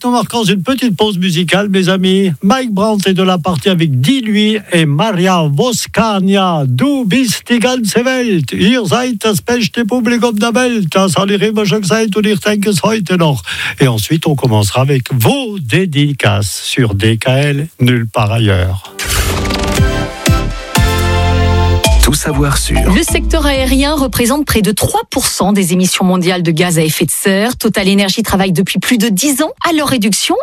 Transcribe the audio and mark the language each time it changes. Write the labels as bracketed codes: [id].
[fr] Nous marquons une petite pause musicale, mes amis. Mike Brandt est de la partie avec Dilui et Maria Voskania. [de] Du bist die ganze Welt. Ihr seid das beste Publikum der Welt. Das hat ihr immer schon gesagt und ich denke es heute noch. [fr] Et ensuite, on commencera avec vos dédicaces sur DKL nulle part ailleurs. Tout savoir sur... Le secteur aérien représente près de 3% des émissions mondiales de gaz à effet de serre. Total Energy travaille depuis plus de 10 ans à leur réduction.